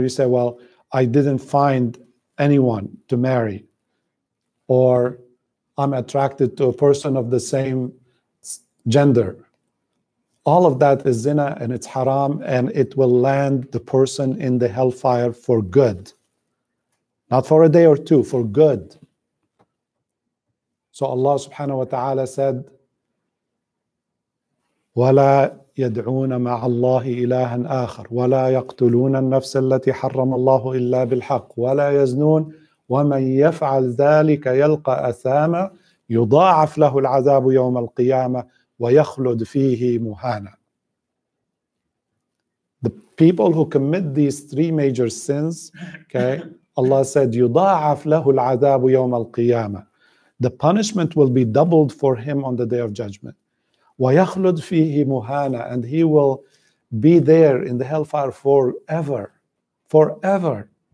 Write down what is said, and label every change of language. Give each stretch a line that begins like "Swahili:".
English: You say, well, I didn't find anyone to marry, or I'm attracted to a person of the same gender. All of that is zina and it's haram, and it will land the person in the hellfire for good. Not for a day or two, for good. So Allah subhanahu wa ta'ala said,
Arabic: وَلَا يَدْعُونَ مَعَ اللَّهِ إِلَٰهًا آخَرَ وَلَا يَقْتُلُونَ النَّفْسَ الَّتِي حَرَّمَ اللَّهُ إِلَّا بِالْحَقِّ وَلَا يَزْنُونَ وَمَنْ يَفْعَلْ ذَلِكَ يَلْقَ أَثَامًا يُضَاعَفْ لَهُ الْعَذَابُ يَوْمَ الْقِيَامَةِ وَيَخْلُدْ فِيهِ مُهَانًا.
English: The people who commit these three major sins, okay, Allah said,
Arabic: يُضَاعَفْ لَهُ الْعَذَابُ يَوْمَ الْقِيَامَةِ.
English: The punishment will be doubled for him on the day of judgment.
Arabic: وَيَخْلُدْ فِيهِ مُهَانًا,
English: and he will be there in the hellfire forever, forever.